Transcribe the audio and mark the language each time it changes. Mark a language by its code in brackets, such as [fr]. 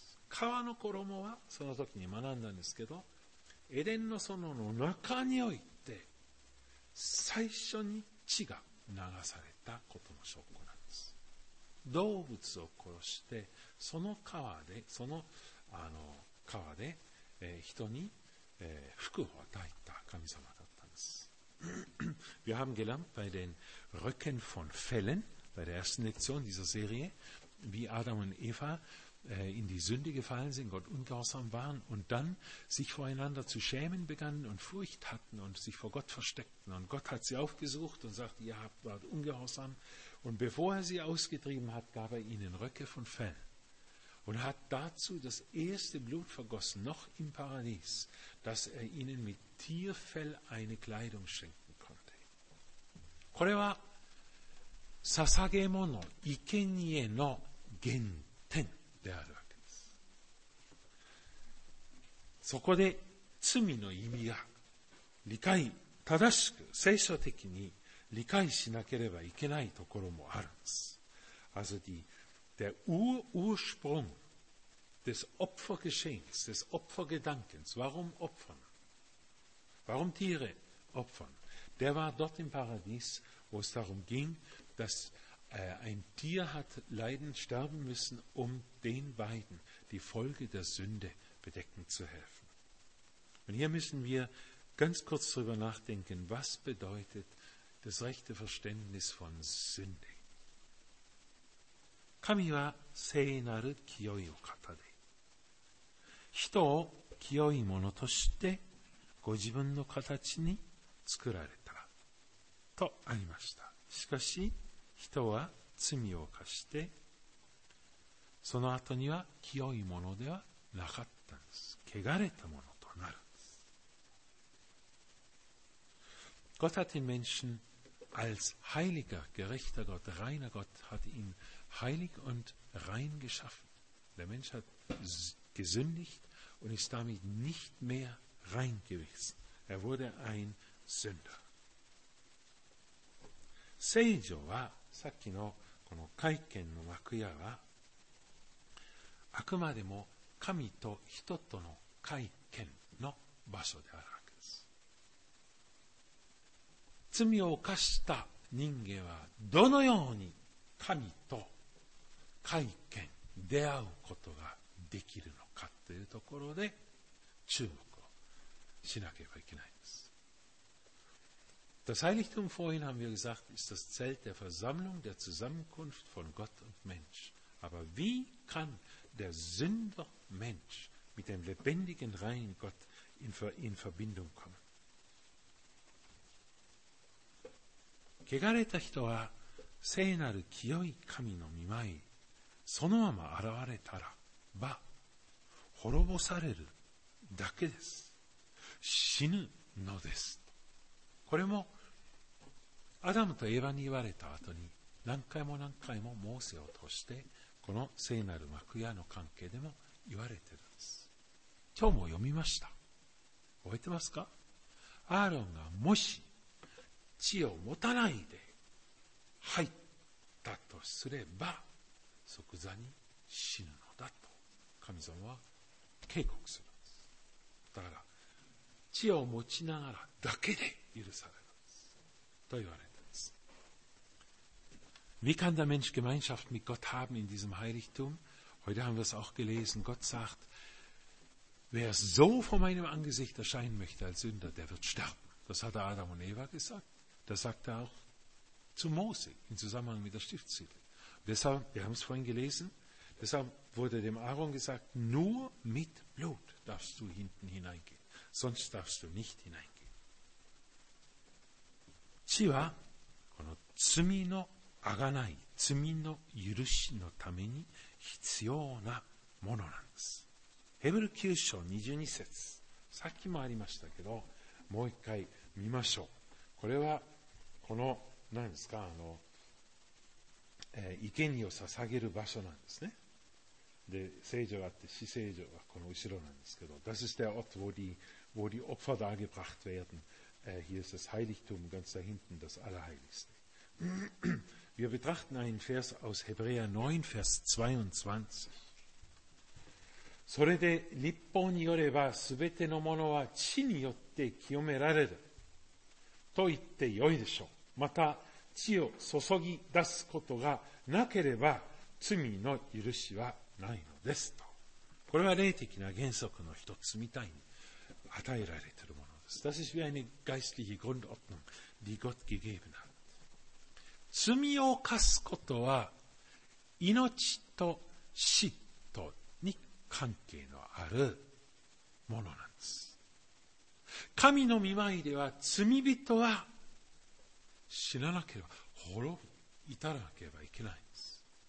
[ja] 革の衣はその時に学んだんですけど、エデンの園の中において最初に血が流されたことの証拠なんです。動物を殺してその革で革で、人に、服を与えた神様だったんです。 [de] Wir haben gelernt bei den Röcken von Fellen bei der ersten Lektion dieser Serie, wie Adam und Eva in die Sünde gefallen sind, Gott ungehorsam waren und dann sich voreinander zu schämen begannen und Furcht hatten und sich vor Gott versteckten. Und Gott hat sie aufgesucht und sagte, ihr habt dort ungehorsam. Und bevor er sie ausgetrieben hat, gab er ihnen Röcke von Fell und hat dazu das erste Blut vergossen, noch im Paradies, dass er ihnen mit Tierfell eine Kleidung schenken konnte. [ja] これは捧げ物、生贄の原点であるわけです。そこで罪の意味が理解、正しく聖書的に理解しなければいけないところもあるんです。 [de] Also der Ursprung des Opfergeschehens, des Opfergedankens, warum opfern? Warum Tiere opfern? Der war dort im Paradies, wo es darum ging, dass ein Tier hat leiden, sterben müssen, um den beiden die Folge der Sünde bedecken zu helfen. Und hier müssen wir ganz kurz darüber nachdenken, was bedeutet das rechte Verständnis von Sünde. [ja] 神は聖なる清いお方で、人を清いものとしてご自分の形に作られたとありました。しかし人は罪を犯して、その後には清いものではなかったんです。汚れたものとなるんです。 [de] Gott hat den Menschen als heiliger, gerechter Gott, reiner Gott, hat ihn heilig und rein geschaffen. Der Mensch hat gesündigt und ist damit nicht mehr rein gewesen. Er wurde ein Sünder. [ja] 聖女はさっきのこの会見の幕屋はあくまでも神と人との会見の場所であるわけです。罪を犯した人間はどのように神と会見、出会うことができるのかというところで注目をしなければいけないんです。 [de] Das Heiligtum, vorhin haben wir gesagt, ist das Zelt der Versammlung, der Zusammenkunft von Gott und Mensch. Aber wie kann der Sünder Mensch mit dem lebendigen, reinen Gott in Verbindung kommen? [ja] 汚れた人は聖なる清い神の御前そのまま現れたらば滅ぼされるだけです。死ぬのです。これもアダムとエヴァに言われた後に何回も何回もモーセを通してこの聖なる幕屋の関係でも言われているんです。今日も読みました。覚えてますか？アーロンがもし地を持たないで入ったとすれば即座に死ぬのだと神様は警告するんです。だから地を持ちながらだけで許されるんですと言われたんです。 [de] Wie kann der Mensch Gemeinschaft mit Gott haben in diesem Heiligtum? Heute haben wir es auch gelesen. Gott sagt, wer so vor meinem Angesicht erscheinen möchte als Sünder, der wird sterben. Das hat Adam und Eva gesagt. Das sagt er auch zu Mose im Zusammenhang mit der Stiftshütte. Deshalb, wir haben es vorhin gelesen, deshalb wurde dem Aaron gesagt, nur mit Blut darfst du hinten hineingehen, sonst darfst du nicht hineingehen. [ja] 血はこの罪のあがない、罪の許しのために必要なものなんです。ヘブル9章22節、さっきもありましたけど、もう一回見ましょう。これはこの何ですか、生贄を捧げる場所なんですね。で、聖所があって、死聖所はこの後ろなんですけど、 [de] Das ist der Ort, wo die Opfer dargebracht werden. Hier ist das Heiligtum ganz da hinten, das Allerheiligste. Wir betrachten einen Vers aus Hebräer 9, Vers 22. [ja] それで律法によれば、すべてのものは血によって清められる。と言ってよいでしょう。また地を注ぎ出すことがなければ罪の許しはないのですと。これは霊的な原則の一つみたいに与えられているものです。 [de] Das ist wie eine geistliche Grundordnung, die Gott gegeben hat. [ja] 罪を犯すことは命と死とに関係のあるものなんです。神の御前では罪人は死ななければ滅び至らなければいけないんです。